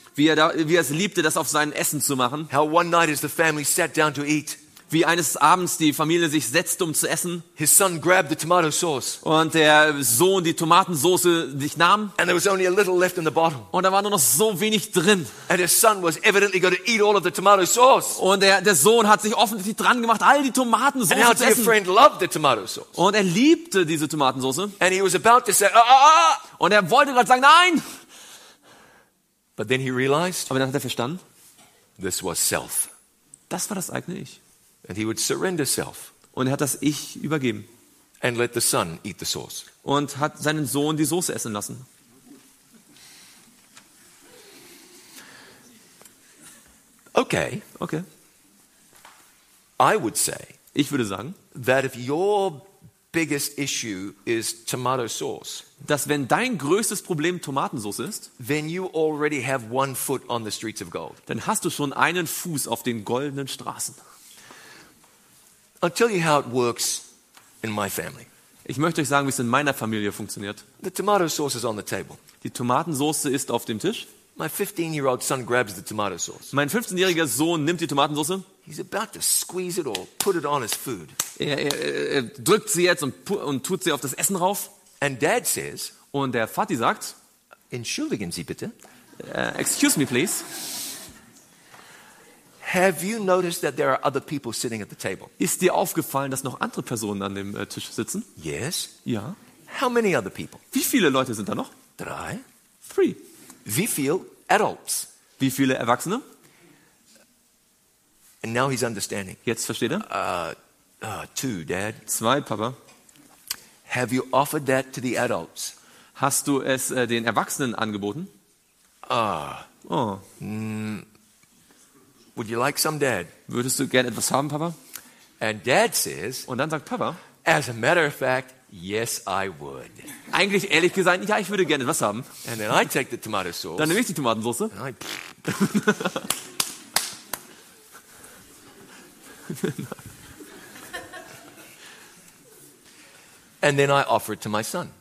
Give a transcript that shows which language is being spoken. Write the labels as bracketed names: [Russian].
[German] Wie er es liebte, das auf sein Essen zu machen. [English] How one night as the family sat down to eat. [German] Wie eines Abends die Familie sich setzte, um zu essen. [English] His son grabbed the tomato sauce. [German] Und der Sohn die Tomatensauce sich nahm. [English] And there was only a little left in the bottle. [German] Und da war nur noch so wenig drin. [English] And his son was evidently going to eat all of the tomato sauce. [German] Und der Sohn hat sich offensichtlich dran gemacht, all die Tomatensauce zu essen. [English] And his friend loved the tomato sauce. [German] Und er liebte diese Tomatensauce. [English] And he was about to say, ah! [German] Und er wollte gerade sagen, nein! [English] But then he realized, [German] aber dann hat er verstanden, [English] this was self. [German] Das war das eigene Ich. [English] And he would surrender self. [German] Und er hat das Ich übergeben. [English] And let the son eat the sauce. [German] Und hat seinen Sohn die Soße essen lassen. [English] Okay. [German] Okay. [English] I would say. [German] Ich würde sagen, [English] that if your biggest issue is tomato sauce, [German] dass wenn dein größtes Problem Tomatensauce ist, [English] then you already have one foot on the streets of gold. [German] Dann hast du schon einen Fuß auf den goldenen Straßen. [English] I'll tell you how it works in my family. [German] Ich möchte euch sagen, wie es in meiner Familie funktioniert. [English] The tomato sauce is on the table. [German] Die Tomatensauce ist auf dem Tisch. [English] My 15-year-old son grabs the tomato sauce. [German] Mein 15-jähriger Sohn nimmt die Tomatensauce. [English] He's about to squeeze it or put it on his food. [German] Er drückt sie jetzt und tut sie auf das Essen rauf. [English] And Dad says, [German] und der Vati sagt, entschuldigen Sie bitte. [English] Excuse me please. Have you noticed that there are other people sitting at the table? [German] Ist dir aufgefallen, dass noch andere Personen an dem Tisch sitzen? [English] Yes. [German] Ja. [English] How many other people? [German] Wie viele Leute sind da noch? Drei. [English] Three. [German] Wie viele Adults? Wie viele Erwachsene? [English] And now he's understanding. [German] Jetzt versteht er. [English] Two, Dad. [German] Zwei, Papa. [English] Have you offered that to the adults? [German] Hast du es den Erwachsenen angeboten? [English] Would you like some, Dad? [German] Würdest du gern etwas haben, Papa? [English] And Dad says, [German] und dann sagt Papa, [English] as a matter of fact, yes, I would. [German] Eigentlich ehrlich gesagt, ja, ich würde gerne etwas haben. [English] And then I take the tomato sauce. [German] Dann nehme ich die Tomatensauce. [English] And I and then I offer it to my son.